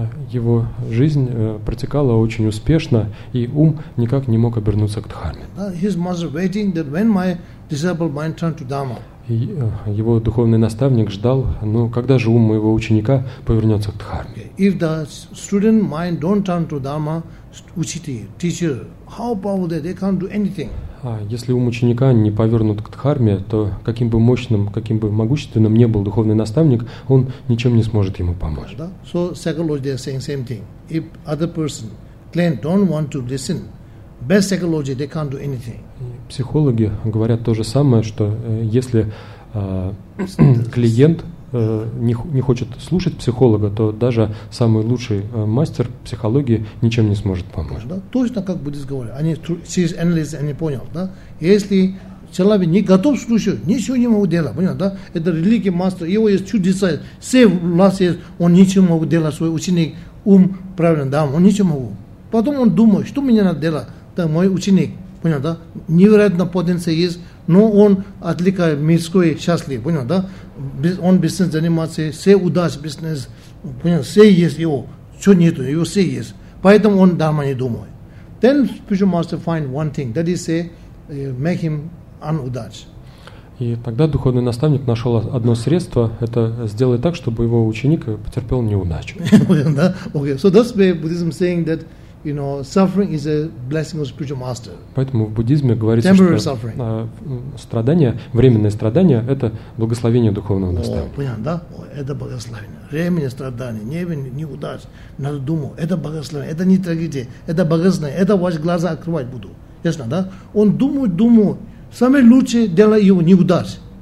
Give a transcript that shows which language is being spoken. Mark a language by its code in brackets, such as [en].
[ru] Его жизнь протекала очень успешно, и ум никак не мог обернуться к Дхарме. [en] His mother waiting that when my disabled mind turn to Dharma. [ru] Его духовный наставник ждал, ну, когда же ум моего ученика повернется к Дхарме. [en] If the student mind don't turn to Dharma, teacher, how powerful they can't do anything. [ru] Если ум ученика не повернут к Дхарме, то каким бы мощным, каким бы могущественным ни был духовный наставник, он ничем не сможет ему помочь. [en] So psychologists are saying same thing. If other person claim don't want to listen, best psychology they can't do anything. [ru] Психологи говорят то же самое, что если клиент не хочет слушать психолога, то даже самый лучший мастер психологии ничем не сможет помочь. Да, точно как буддист говорит, они через анализ они поняли, да? Если человек не готов слушать, ничего не могут делать, понял, да? Это религия мастер, его есть чудеса, все власть есть, он ничего не может делать, свой ученик, ум правильно, да, он ничего не может. Потом он думает, что мне надо делать, да, мой ученик, понял, да? Невероятно потенция есть, но он отвлекает мирской счастлив, понял, да? Он бизнес занимается, все удачи бизнес, понял, все есть его, все нету, его все есть. Поэтому он дарма не думает. [en] Then spiritual master find one thing, that is say, make him unudach. [ru] И тогда духовный наставник нашел одно средство, это сделать так, чтобы его ученик потерпел неудачу. Понял, да? [en] Okay, so that's why Buddhism saying that, you know, suffering is a blessing of spiritual master. [ru] Поэтому в буддизме говорится, temporary что suffering. Страдание, временное страдание, это благословение духовного наставника. Понятно, да? О, это благословение. Временное страдание, невинное, неудач, надо думать. Это благословение, это не трагедия, это благословение, это ваши глаза открывать буду. Ясно, да? Он думает, думает, самое лучшее дело его неудач.